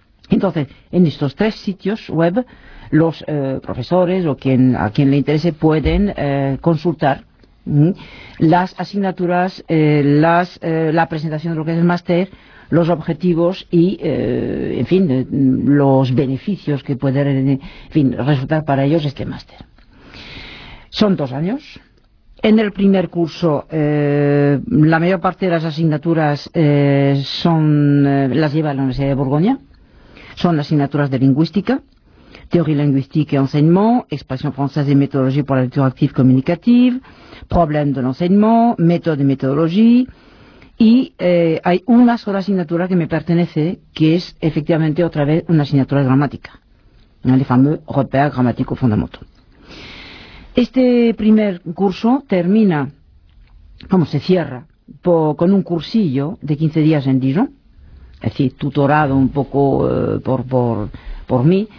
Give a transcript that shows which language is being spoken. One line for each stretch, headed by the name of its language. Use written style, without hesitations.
Spanish: Entonces, en estos tres sitios web, los profesores o a quien le interese pueden consultar las asignaturas, la presentación de lo que es el máster, los objetivos y, en fin, los beneficios que puede resultar para ellos este máster. Son 2 años. En el primer curso, la mayor parte de las asignaturas las lleva a la Universidad de Borgoña. Son asignaturas de lingüística,
French: théorie linguistique et enseignement, expression française et méthodologie pour la lecture active communicative, problème de l'enseignement, méthode et méthodologie.
Spanish: Y hay una sola asignatura que me pertenece, que es efectivamente otra vez una asignatura de gramática, el
French: fameux repère grammatique fondamental.
Spanish: Este primer curso termina, se cierra con un cursillo de 15 días en Dijon, es decir, tutorado un poco por mí.